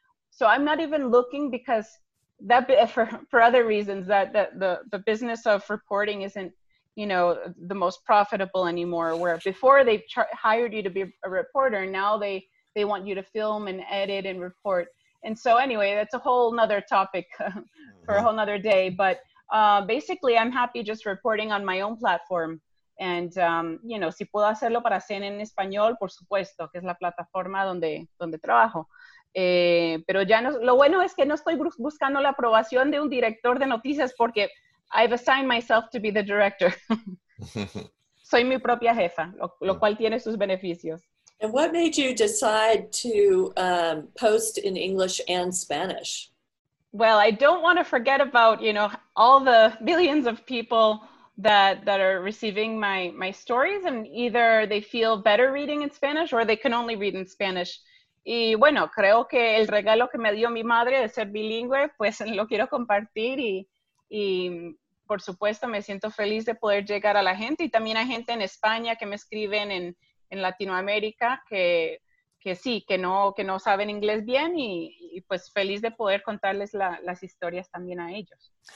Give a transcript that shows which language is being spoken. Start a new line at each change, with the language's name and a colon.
English: So I'm not even looking because that for other reasons that the business of reporting isn't, you know, the most profitable anymore, where before they hired you to be a reporter, now they want you to film and edit and report. And so anyway, that's a whole nother topic for a whole nother day. But basically, I'm happy just reporting on my own platform. And, you know,
Spanish: si puedo hacerlo para CNN en español, por supuesto, que es la plataforma donde trabajo. Pero ya no, lo bueno es que no estoy buscando la aprobación de un director de noticias porque
English: I've assigned myself to be the director.
Spanish: Soy mi propia jefa, lo cual tiene sus beneficios.
English: And what made you decide to post in English and Spanish? Well, I don't want to forget about, you know, all the millions of people that are receiving my stories, and either they feel better reading in Spanish or they can only read in Spanish.
Spanish: Y bueno, creo que el regalo que me dio mi madre de ser bilingüe, pues lo quiero compartir y por supuesto me siento feliz de poder llegar a la gente y también a gente en España que me escriben en Latinoamérica que sí, que no saben inglés bien y pues feliz de poder contarles las historias también a ellos.